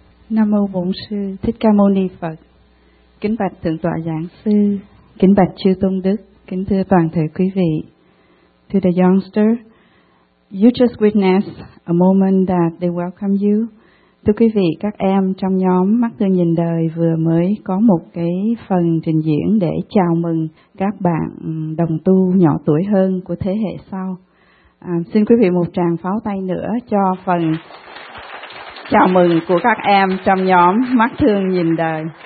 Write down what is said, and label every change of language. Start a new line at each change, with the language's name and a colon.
Vietnamese: Nam Mô Bổn Sư Thích Ca Mâu Ni Phật. Kính bạch Thượng Tọa Giảng Sư, kính bạch Chư Tôn Đức, kính thưa toàn thể quý vị.
English: To the youngster, you just witnessed a moment that they welcome you.
Vietnamese: Thưa quý vị, các em trong nhóm Mắt Thương Nhìn Đời vừa mới có một cái phần trình diễn để chào mừng các bạn đồng tu nhỏ tuổi hơn của thế hệ sau. Xin quý vị một tràng pháo tay nữa cho phần chào mừng của các em trong nhóm Mắt Thương Nhìn Đời.